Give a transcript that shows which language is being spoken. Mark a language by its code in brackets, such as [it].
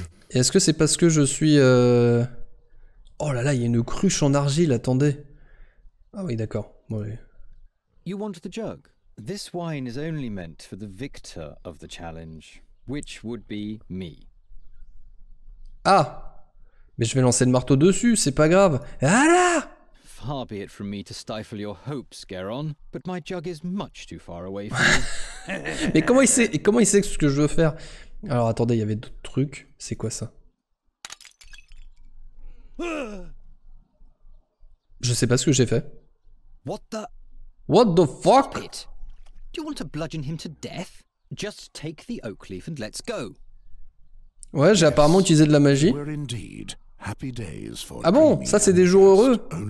[fr] Et est-ce que c'est parce que je suis Oh là là, il y a une cruche en argile, attendez. Ah oui, d'accord. Bon, oui. [en] You want the jug. This wine is only meant for the victor of the challenge, which would be me. Ah! [fr] Mais je vais lancer le marteau dessus, c'est pas grave. Ah là! [en] Far be it from me to stifle your hopes, Geron, but my jug is much too far away from you. [fr] Mais comment il sait ce que je veux faire? Alors attendez, il y avait d'autres trucs. C'est quoi ça? Je sais pas ce que j'ai fait. [en] What the fuck? Stop it. Do you want to bludgeon him to death? Just take the oak leaf and let's go. [fr] Ouais, j'ai apparemment utilisé de la magie. [en] Happy days for [fr] ah bon, ça c'est des jours heureux.